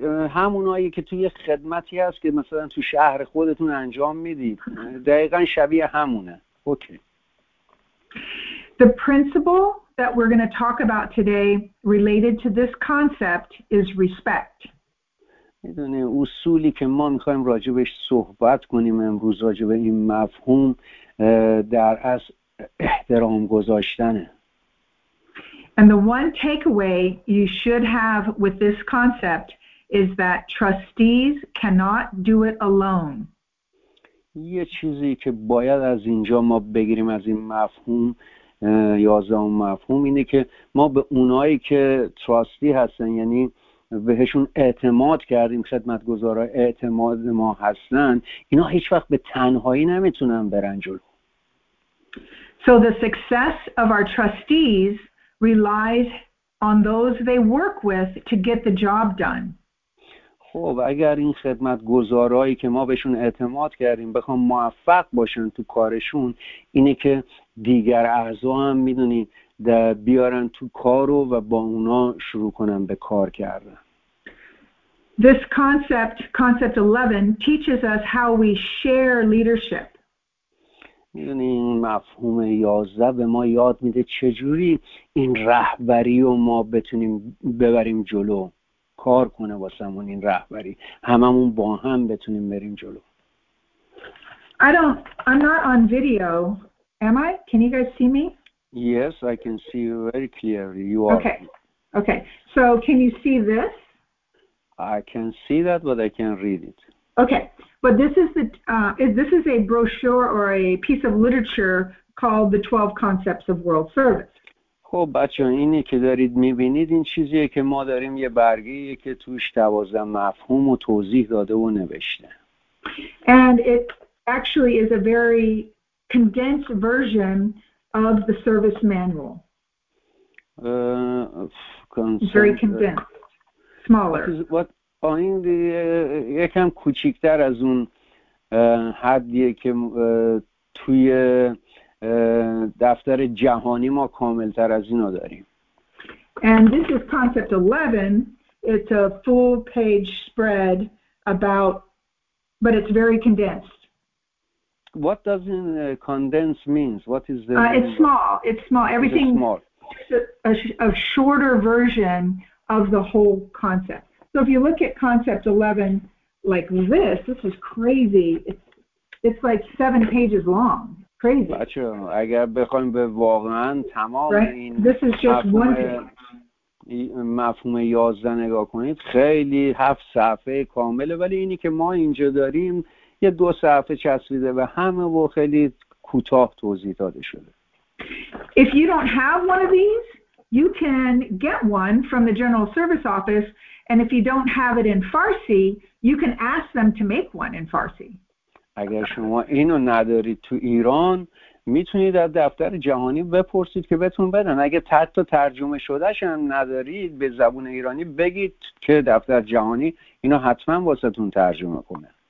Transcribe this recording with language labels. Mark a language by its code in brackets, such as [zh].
[fa] همونایی که توی خدمتی هست که مثلا تو شهر خودتون انجام میدید. دقیقاً شبیه همونه. Okay. [en] The principle that we're going to talk about today related to this concept is respect. [fa] میدونی اصولی که ما می‌خوایم راجبش صحبت کنیم امروز راجب این مفهوم در از احترام گذاشتنه. [en] And the one takeaway you should have with this concept is that trustees cannot do it alone. [fa] یه چیزی که باید از اینجا ما بگیریم از این مفهوم 11 مفهوم اینه که ما به اونایی که تراستی هستن یعنی بهشون اعتماد کردیم، خدمتگزارا اعتماد ما هستن، اینا هیچ وقت به تنهایی نمیتونن برن جلو. [en] So the success of our trustees relies on those they work with to get the job done. [fa] خب اگر این خدمتگزارایی که ما بهشون اعتماد کردیم بخوام موفق باشن تو کارشون، اینه که دیگر اعضا هم میدونی بیارن تو کارو و با اونا شروع کنن به کار کردن. [en] this concept, concept 11, teaches us how we share leadership. [fa] میدونی این مفهوم 11 به ما یاد میده چجوری این رهبری رو ما بتونیم ببریم جلو، کار کنه واسمون این رهبری، هممون با هم بتونیم بریم جلو. [en] I'm not on video, am I? Can you guys see me? Yes, I can see you very clearly. You are. Okay. Okay. So can you see this? I can see that, but I can't read it. Okay. But this is the this is a brochure or a piece of literature called The 12 Concepts of World Service. [fa] خب بچه ها اینه که دارید میبینید این چیزیه که ما داریم یه برگیه که توش 12 مفهوم و توضیح داده و نوشته. [en] And it actually is a very condensed version of the service manual. Very condensed. Smaller. [fa] این یکم کوچیکتر از اون حدیه که توی دفتر جهانی ما کاملتر از اینو داریم. [en] And this is concept 11. It's a full page spread about, but it's very condensed. What does in condensed means? What is the it's small. It's small. Everything is small. A shorter version of the whole concept. So if you look at concept 11 like this, this is crazy. It's like 7 pages long. Crazy. [fa] بچه اگر بخوایم به واقعا تمام [en] right? [fa] این [en] this is just [fa] مفهوم 11 نگاه کنید خیلی 7 صفحه کامله، ولی اینی که ما اینجا داریم یه 2 صفحه چسبیده به همه و خیلی کوتاه توضیح داده شده. [en] If you don't have one of these, you can get one from the General Service Office, and if you don't have it in Farsi, you can ask them to make one in Farsi. [fa] اگر شما اینو ندارید تو ایران میتونید از دفتر جهانی بپرسید که بهتون بدن. اگر حتی ترجمه شده شم ندارید به زبون ایرانی بگید که دفتر جهانی اینو حتما واسهتون ترجمه کنه.